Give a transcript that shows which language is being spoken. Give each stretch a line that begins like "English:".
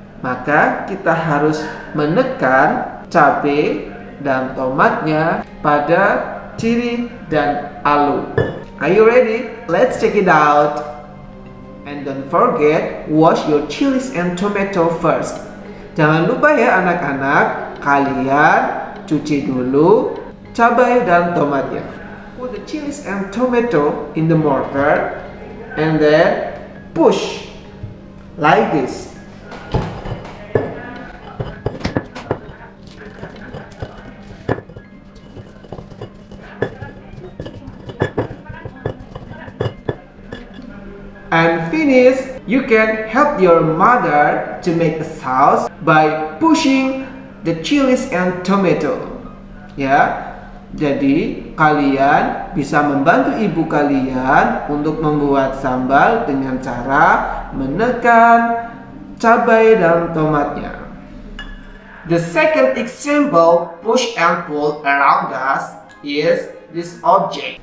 Indonesian: Maka kita harus menekan cabai dan tomatnya pada chili dan alu.
English: Are you ready? Let's check it out. And don't forget, wash your chilies and tomato first.
Indonesian: Jangan lupa ya anak-anak, kalian cuci dulu cabai dan tomatnya.
English: Put the chilies and tomato in the mortar and then push like this. And finish, you can help your mother to make a sauce by pushing the chilies and tomato.
Indonesian: Ya, jadi kalian bisa membantu ibu kalian untuk membuat sambal dengan cara menekan cabai dan tomatnya.
English: The second example push and pull around us is this object.